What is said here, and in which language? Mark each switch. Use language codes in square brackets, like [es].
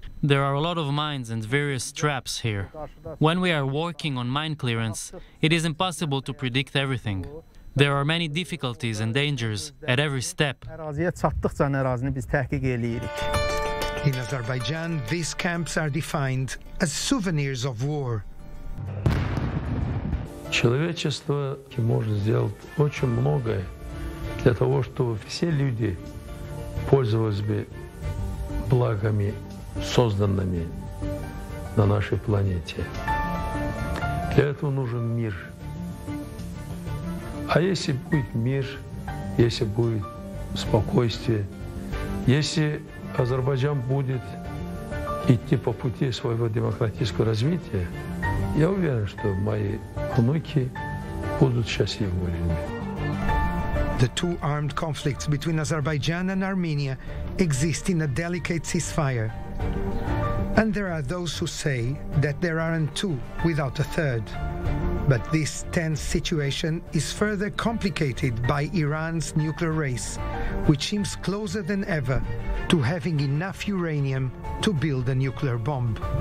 [en] There are a lot of mines and various traps here. When we are working on mine clearance, it is impossible to predict everything. There are many difficulties and dangers at every step. In Azerbaijan, these camps are defined as souvenirs of war. [ru] Человечество может сделать очень многое для того, чтобы все люди пользовались бы благами, созданными на нашей планете. Для этого нужен мир. А если будет мир, если будет спокойствие, если Азербайджан будет идти по пути своего демократического развития, я уверен, что мои внуки будут счастливыми. [en] The two armed conflicts between Azerbaijan and Armenia exist in a delicate ceasefire. And there are those who say that there aren't two without a third. But this tense situation is further complicated by Iran's nuclear race, which seems closer than ever to having enough uranium to build a nuclear bomb.